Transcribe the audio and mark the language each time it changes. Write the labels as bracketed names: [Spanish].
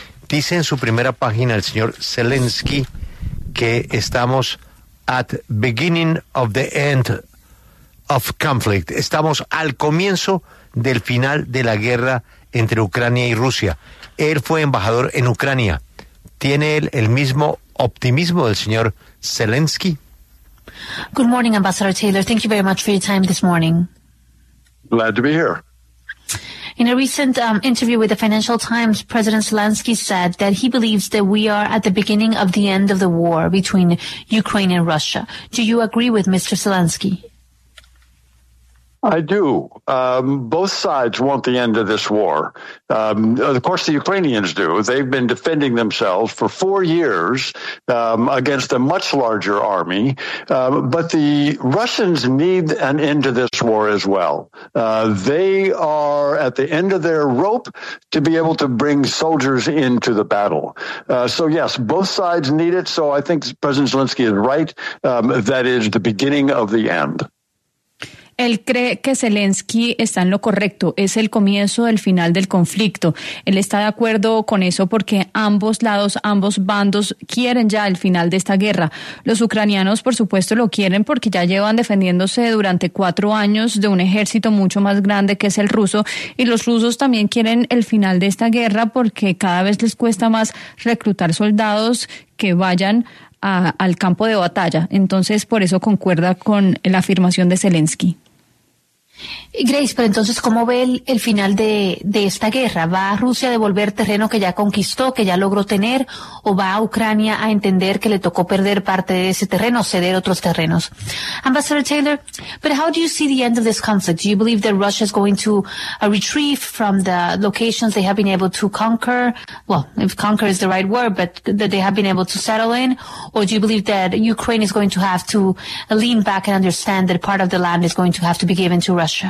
[Spanish] Dice en su primera página el señor Zelensky que estamos [English] at beginning of the end of conflict. [Spanish] Estamos al comienzo del final de la guerra entre Ucrania y Rusia. Él fue embajador en Ucrania. ¿Tiene él el mismo optimismo del señor Zelensky? [English] Good morning, Ambassador Taylor. Thank you very much for your time this morning. Glad to be here. In a recent interview with the Financial Times, President Zelensky said that he believes that we are at the beginning of the end of the war between Ukraine and Russia. Do you agree with Mr. Zelensky? I do. Both sides want the end of this war. Of course, the Ukrainians do. They've been defending themselves for 4 years against a much larger army. But the Russians need an end to this war as well. They are at the end of their rope to be able to bring soldiers into the battle. So, yes, both sides need it. So I think President Zelensky is right. That is the beginning of the end. [Spanish] Él cree que Zelensky está en lo correcto, es el comienzo del final del conflicto. Él está de acuerdo con eso porque ambos lados, ambos bandos quieren ya el final de esta guerra. Los ucranianos, por supuesto, lo quieren porque ya llevan defendiéndose durante 4 años de un ejército mucho más grande que es el ruso. Y los rusos también quieren el final de esta guerra porque cada vez les cuesta más reclutar soldados que vayan al campo de batalla. Entonces, por eso concuerda con la afirmación de Zelensky. Grace, pero entonces, ¿cómo ve el final de esta guerra? ¿Va Rusia a devolver terreno que ya conquistó, que ya logró tener, o va Ucrania a entender que le tocó perder parte de ese terreno, ceder otros terrenos? [English] Ambassador Taylor, but how do you see the end of this conflict? Do you believe that Russia is going to retreat from the locations they have been able to conquer? Well, if conquer is the right word, but that they have been able to settle in, or do you believe that Ukraine is going to have to lean back and understand that part of the land is going to have to be given to Russia?